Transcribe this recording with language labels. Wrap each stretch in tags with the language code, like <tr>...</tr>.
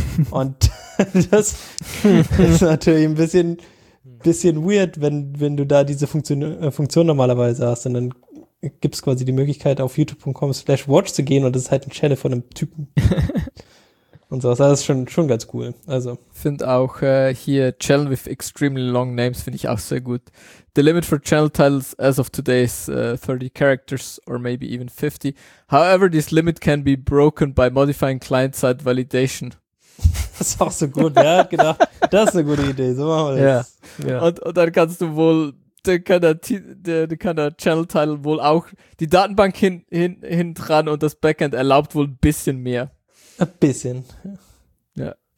<de>Und das ist natürlich ein bisschen weird, wenn du da diese Funktion normalerweise hast. Und dann gibt es quasi die Möglichkeit, auf youtube.com/watch zu gehen und das ist halt ein Channel von einem Typen. Und sowas. Das ist schon ganz cool. Also finde auch hier</de> <en>Channel with extremely long names,</en> <de>finde ich auch sehr gut.</de> <en>The limit for channel titles as of today is 30 characters or maybe even 50. However, this limit can be broken by modifying client-side validation.</en> <de>Das ist auch so gut, ja, hat gedacht, das ist eine gute Idee, so machen wir das. Yeah. Yeah. Und dann kannst du wohl, dann kann der Channel-Title wohl auch die Datenbank hin dran und das Backend erlaubt wohl ein bisschen mehr. Ein bisschen. Ja.</de>